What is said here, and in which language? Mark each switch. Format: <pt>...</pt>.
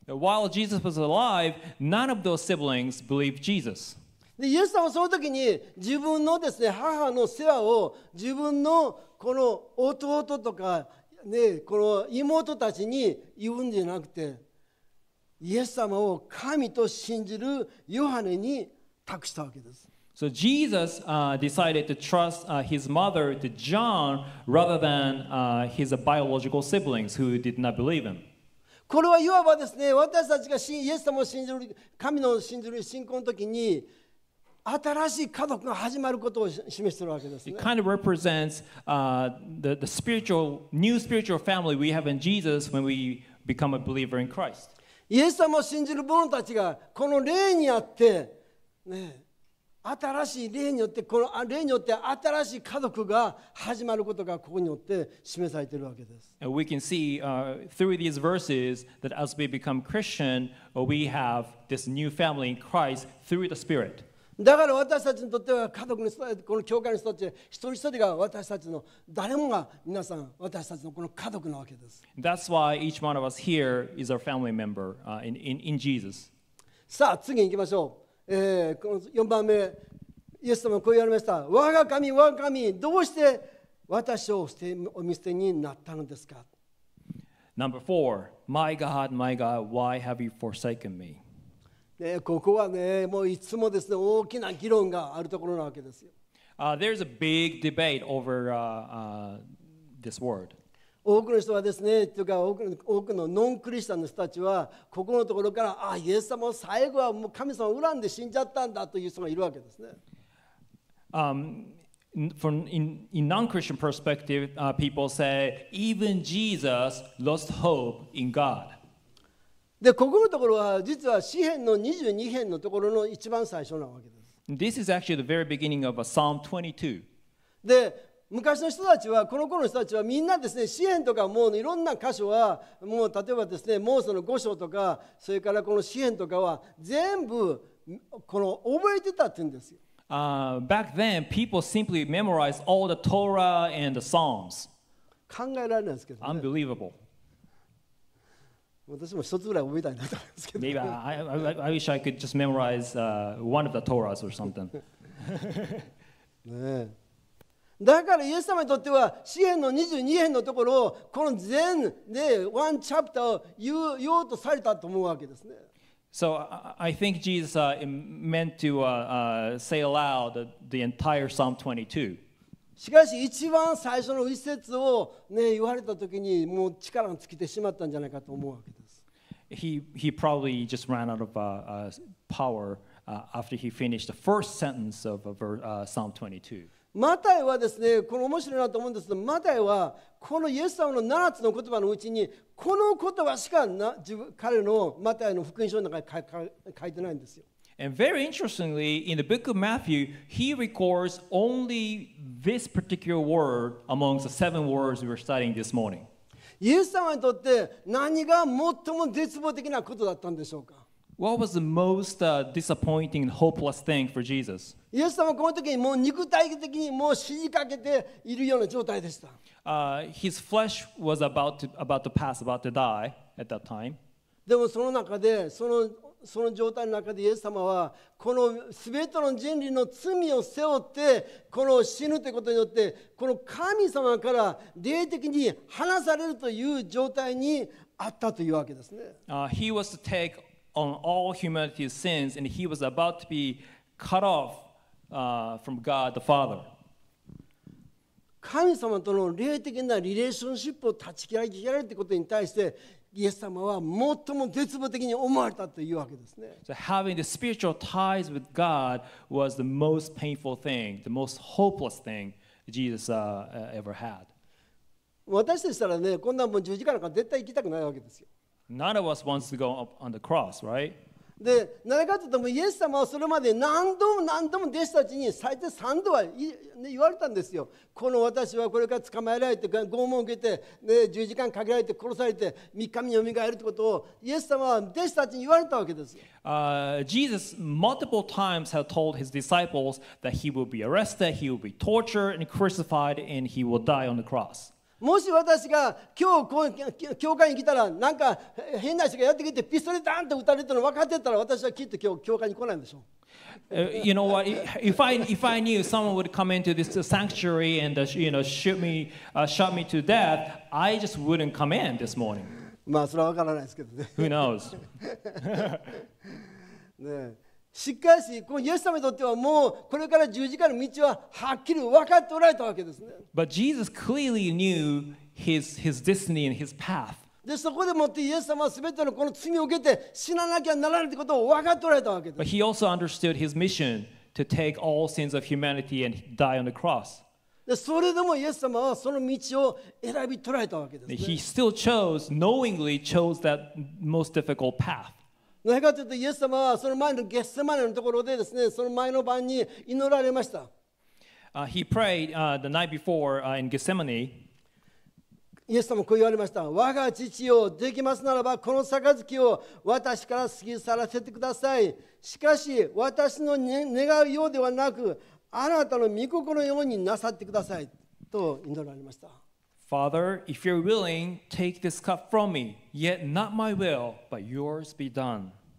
<en>While Jesus was alive, none of those siblings believed Jesus.</en> <ja>で、イエス様はその時に自分のですね、母の世話を自分のこの弟とかね、この妹たちに言うんじゃなくて、イエス様を神と信じるヨハネに託したわけです。</ja> <en>So Jesus decided to trust his mother to John rather than his biological siblings who did not believe him.</en> <ja>これはいわばですね、私たちがイエス様を信じる、神の信じる信仰の時に、新しい家族が始まることを示しているわけですね。</ja> <en>It kind of represents the spiritual, new spiritual family we have in Jesus when we become a believer in Christ.</en> <ja>イエス様を信じる者たちがこの霊にあって、ね、新しい霊によって、この霊によって新しい家族が始まることがここによって示されているわけです。</ja> <en>And we can see through these verses that as we become Christian, we have this new family in Christ through the Spirit.</en> <ja>だから私たちにとっては家族の人、この教会の人たち一人一人が私たちの誰もが皆さん私たちのこの家族なわけです。</ja> <en>That's why each one of us here is our family member in Jesus.</en> <ja>さあ次に行きましょう。この4番目、イエス様はこう言われました。我が神、我が神、どうして私を捨て、お見捨てになったのですか。</ja> <en>Number four, my God, my God, why have you forsaken me?</en> <ja>ね、ここはね、もういつもですね、大きな議論があるところなわけですよ。</ja> <en>There's a big debate over this word.</en> <ja>多くの人はですね、というか多くのノンクリスチャンの人たちは、ここのところから、あ、イエス様、最後はもう神様を恨んで死んじゃったんだという人がいるわけですね。</ja> <en>In non-Christian perspective, people say, even Jesus lost hope in God.</en> <ja>でここのところは実は詩編の22編のところの一番最初なわけです。</ja> <en>This is actually the very beginning of a Psalm 22.</en> <ja>で昔の人たちはこの頃の人たちはみんなですね詩編とかもういろんな箇所はもう例えばですねモーセの五章とかそれからこの詩編とかは全部この覚えてたって言うんですよ。</ja> <en>Back then, people simply memorized all the Torah and the Psalms.</en> <ja>考えられないですけどね。</ja> <en>Unbelievable.</en> <ja>私も一つぐらい覚えたいなと思うんですけど。</ja> <en>Maybe I wish I could just memorize one of the Torahs or something.</en> <ja>ねえ。だからイエス様にとっては詩編の22編のところをこの全でワンチャプターを言おうとされたと思うわけですね。</ja> <en>So I think Jesus meant to say aloud the entire Psalm 22.</en> <ja>しかし一番最初の一節を、ね、言われた時にもう力が尽きてしまったんじゃないかと思うわけです。</ja> <en>He probably just ran out of power after he finished the first sentence of Psalm 22.</en> <ja>マタイはですね、この面白いなと思うんですけど、マタイはこのイエス様の7つの言葉のうちにこの言葉しか彼のマタイの福音書の中に書いてないんですよ。</ja> <en>And very interestingly, in the book of Matthew, he records only this particular word amongst the seven words we were studying this morning.</en> <ja>イエス様にとって何が最も絶望的なことだったんでしょうか?</ja> <en>What was the most disappointing and hopeless thing for Jesus?</en> <ja>イエス様はこの時にもう肉体的にもう死にかけているような状態でした。</ja> <en>His flesh was about to pass, about to die at that time.</en> <ja>でもその中でその状態の中でイエス様はこの全ての人類の罪を背負ってこの死ぬということによってこの神様から霊的に離されるという状態にあったというわけですね。</ja> <en>He was to take on all humanity's sins and he was about to be cut off from God the Father.</en> <ja>神様との霊的なリレーションシップを断ち切られるということに対してイエス様は最も絶望的に思われたというわけですね。</ja> <en>So having the spiritual ties with God was the most painful thing, the most hopeless thing Jesus ever had.</en> <ja>私たちしたらね、こんなもん十字架なんか絶対行きたくないわけですよ。</ja> <en>None of us wants to go up on the cross, right?</en> <ja>で、なぜかというと、イエス様はそれまで何度も何度も弟子たちに最低3度は言われたんですよ。この私はこれから捕まえられて、拷問を受けて、で10時間かけられて殺されて、3日目によみがえるということをイエス様は弟子たちに言われたわけです。</ja> <en>Jesus multiple times had told his disciples that he would be arrested, he would be tortured and crucified, and he would die on the cross.</en> <ja>もし私が今日こう教会に来たらなんか変な人がやってきてピストルでダーンと撃たれてるの分かってたら私はきっと今日教会に来ないんでしょう。</ja> <en>You know what? If I knew someone would come into this sanctuary and you know shoot me to death, I just wouldn't come in this morning.</en> <ja>まあそれは分からないですけどね。</ja> <en>Who knows?</en> <ja>ねえ。しかし、このイエス様にとってはもうこれから十字架の道ははっきり分かっておられたわけですね。</ja> <en>But Jesus clearly knew his destiny and his path.</en> <ja>で、そこでもってイエス様は全てのこの罪を受けて死ななきゃならないということを分かっておられたわけです。</ja> <en>But he also understood his mission to take all sins of humanity and die on the cross.</en> <ja>で、それでもイエス様はその道を選び取られたわけですね。</ja> <en>He still chose, knowingly chose that most difficult path.</en> <ja>なぜかというとイエス様はその前のゲッセマネのところでですね、その前の晩に祈られました。</ja> <en>He prayed the night before in Gethsemane.</en> <ja>イエス様はこう言われました。我が父よ、できますならばこの杯を私から過ぎ去らせてください。しかし私の、ね、願うようではなく、あなたの御心のようになさってくださいと祈られました。</ja> <en>Father, if you're willing, take this cup from me. Yet not my will, but yours be done.</en>